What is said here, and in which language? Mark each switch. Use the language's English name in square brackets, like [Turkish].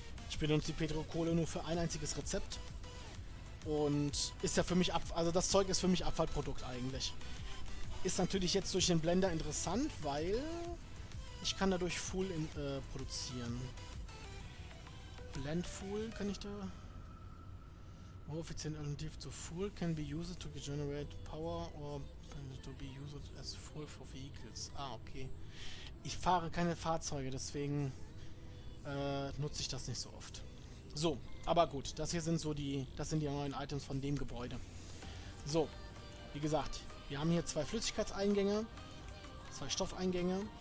[German] Ich benutze die Petriumkohle nur für ein einziges Rezept. Und ist ja für mich also das Zeug ist für mich Abfallprodukt eigentlich. Ist natürlich jetzt durch den Blender interessant, weil ich kann dadurch Full produzieren. Blend Full kann ich da. [English] More efficient alternative to fuel can be used to generate power or to be used as fuel for vehicles. [German] Ah, okay. Ich fahre keine Fahrzeuge, deswegen nutze ich das nicht so oft. So, aber gut, das hier sind so die, das sind die neuen Items von dem Gebäude. So, wie gesagt, wir haben hier zwei Flüssigkeitseingänge, zwei Stoffeingänge.